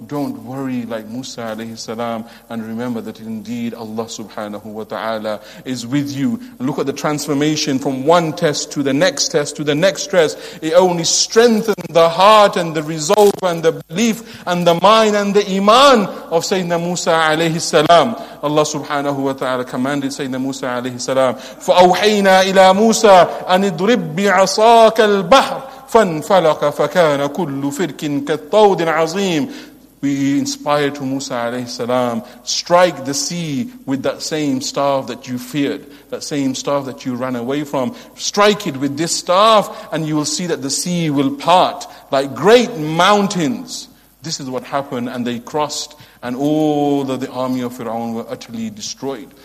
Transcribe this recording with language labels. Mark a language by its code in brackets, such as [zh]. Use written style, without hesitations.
[en] don't worry like Musa alayhi salam, and remember that indeed Allah subhanahu wa ta'ala is with you. Look at the transformation from one test to the next test to the next test. It only strengthened the heart and the resolve and the belief and the mind and the iman of Sayyidina Musa alayhi salam. Allah subhanahu wa ta'ala commanded Sayyidina Musa alayhi salam, [ar] فَأَوْحَيْنَا إِلَى مُوسَىٰ أَنِ اضْرِبْ بِعَصَاكَ الْبَحْرِ فَانْفَلَقَ فَكَانَ كُلُّ فِرْكٍ كَالطَّوْدِ الْعَظِيمِ. [en] We inspire to Musa alayhi salam, strike the sea with that same staff that you feared, that same staff that you ran away from. Strike it with this staff and you will see that the sea will part like great mountains. This is what happened, and they crossed, and all of the army of Fir'aun were utterly destroyed.